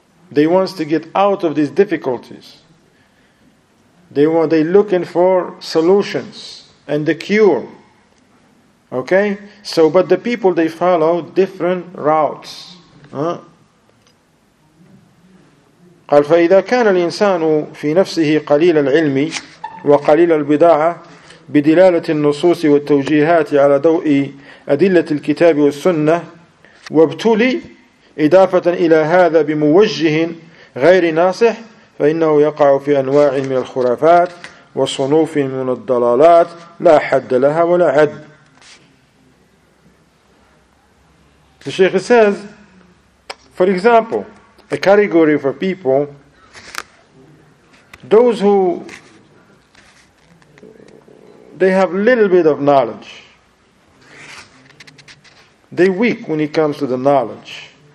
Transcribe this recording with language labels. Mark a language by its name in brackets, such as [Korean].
[English] They want to get out of these difficulties. They're looking for solutions and the cure. Okay? So, but the people, they follow different routes. [Arabic] قال فإذا كان الإنسان في نفسه قليل العلم وقليل البضاعة بدلالة النصوص والتوجيهات على ضوء أدلة الكتاب والسنة وابتلي إضافة إلى هذا بموجه غير ناصح فإنه يقع في أنواع من الخرافات وصنوف من الضلالات لا حد لها ولا عد. [English] The Sheikh says, for example, a category for people, those who they have a little bit of knowledge, they weak when it comes to the knowledge.